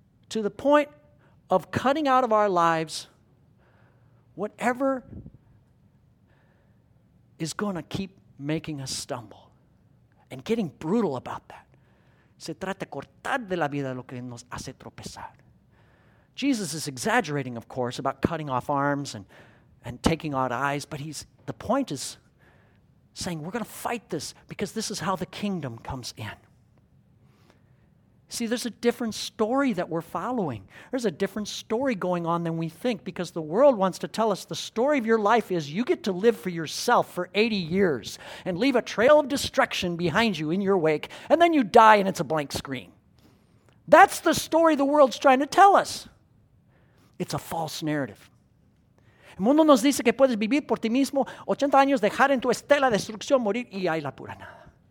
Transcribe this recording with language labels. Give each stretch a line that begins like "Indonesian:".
English: To the point of cutting out of our lives whatever is going to keep making us stumble and getting brutal about that.
Spanish: Se trata de cortar de la vida lo que nos hace tropezar.
English: Jesus is exaggerating, of course, about cutting off arms and taking out eyes, but the point is saying we're going to fight this because this is how the kingdom comes in. See, there's a different story that we're following. There's a different story going on than we think, because the world wants to tell us the story of your life is you get to live for yourself for 80 years and leave a trail of destruction behind you in your wake, and then you die and it's a blank screen. That's the story the world's trying to tell us. It's a false narrative.
Spanish: El mundo nos dice que puedes vivir por ti mismo 80 años, dejar en tu estela destrucción, morir y hay la pura nada.